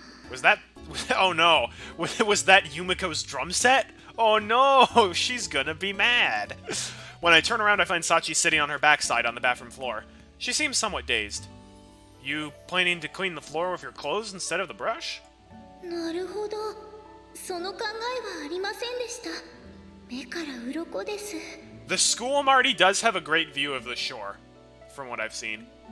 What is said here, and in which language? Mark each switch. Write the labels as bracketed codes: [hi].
[en] Was that... Oh no. Was that Yumiko's drum set? Oh no, she's gonna be mad. When I turn around, I find Sachi sitting on her backside on the bathroom floor. She seems somewhat dazed. You planning to clean the floor with your clothes instead of the brush? [ja] なるほど. その考えはありませんでした. 目から鱗です. [en] The school Marty does have a great view of the shore, from what I've seen.